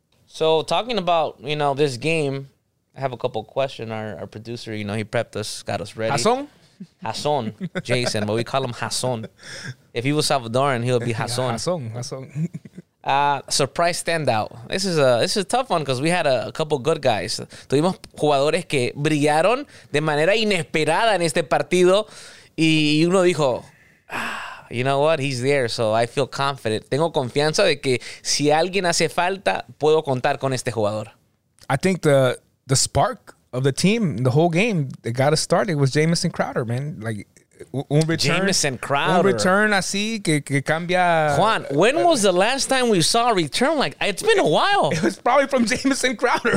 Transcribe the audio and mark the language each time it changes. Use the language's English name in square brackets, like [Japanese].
[English] So, talking about, you know, this game, I have a couple of questions. Our producer, you know, he prepped us, got us ready. ¿Asón? Jason, Jason, but we call him Jason. If he was Salvadoran, he would be Jason. Jason, Jason. Surprise standout. This is a tough one because we had a couple good guys. [Spanish] Tuvimos jugadores que brillaron de manera inesperada en este partido. Y uno dijo, [English] you know what? He's there, so I feel confident. [Spanish] Tengo confianza de que si alguien hace falta, puedo contar con este jugador. [English] I think the spark of the team, the whole game, that got us started was Jameson Crowder, man. Like, un return. Jameson Crowder. [Spanish] Un return así que cambia. [English] Juan, when was the last time we saw a return? Like, it's been a while. It was probably from Jameson Crowder.